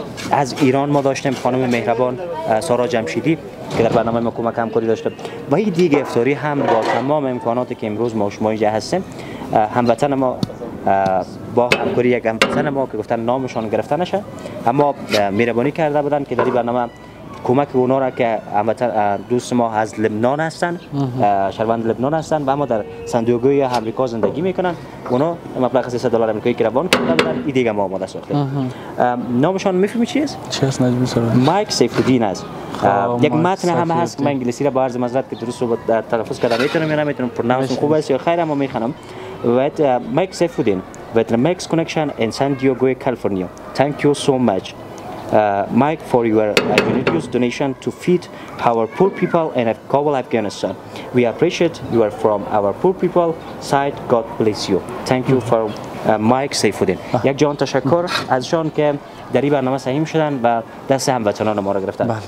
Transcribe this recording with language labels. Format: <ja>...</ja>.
<fa>از ایران ما داشتیم خانم مهربان سارا جمشیدی که در برنامه ما کمک همکاری داشته و یک دیگه افطاری هم با تمام امکاناتی که امروز ما شما اینجا هستیم، هموطن ما با همکاری یک هموطن ما که گفتن نامشان گرفته نشه اما مهربانی کرده بودن که در این برنامه کمک اونا را که دوست ما از لبنان هستن، شهروند لبنان هستن و اما در سان دیگو یا امریکا زندگی میکنن، اونا مبلغ $300 امریکایی که روان کردن این دیگه ما آماده ساخته. نامشان میفهمی چی است؟ چی است نجمی سلام؟ مایک سیفودین است. یک متن هم هست که من انگلیسی را با عرض معذرت که درست صحبت تلفظ کردم میتونم یا نمیتونم پرنامس خوب است یا خیر اما میخوانم.</fa> <en>White Mike Saifuddin white Max connection in San Diego California. Thank you so much Mike, for your generous donation to feed our poor people in Kabul, Afghanistan. We appreciate you are from our poor people side. God bless you. Thank you for Mike Saifuddin.</en> <fa>یک جان تشکر ازشان که در این برنامه سهیم شدن و دست هموطنان ما را گرفتن.</fa>